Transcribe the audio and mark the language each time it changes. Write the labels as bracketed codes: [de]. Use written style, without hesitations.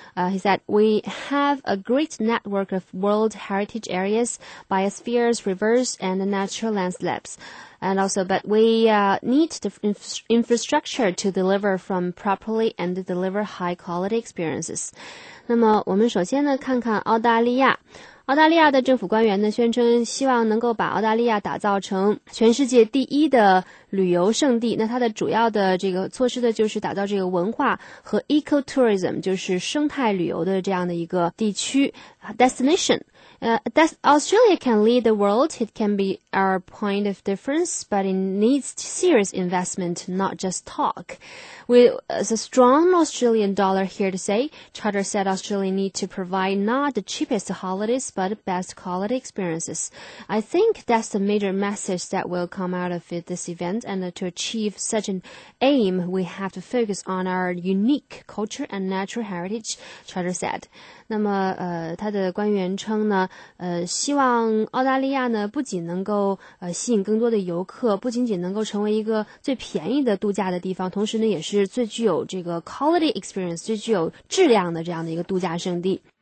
[en] He said, we have a great network of world heritage areas, biospheres, rivers, and natural landscapes. And also, but we need the infrastructure to deliver from properly and deliver high quality experiences. [zh] 那么我们首先呢看看澳大利亚。澳大利亚的政府官员呢宣称希望能够把澳大利亚打造成全世界第一的旅游胜地。那它的主要的这个措施呢就是打造这个文化和 ecotourism, 就是生态旅游的这样的一个地区 destination. [en] Australia can lead the world. It can be our point of difference, but it needs serious investment, not just talk. With a strong Australian dollar here to say, Charter said Australia need to provide not the cheapest holidays, but the best quality experiences. I think that's the major message that will come out of this event. And to achieve such an aim, we have to focus on our unique culture and natural heritage, Charter said. [zh] 那么他的官员称呢希望澳大利亚呢不仅能够吸引更多的游客，不仅仅能够成为一个最便宜的度假的地方，同时呢也是最具有这个 quality experience, 最具有质量的这样的一个度假胜地。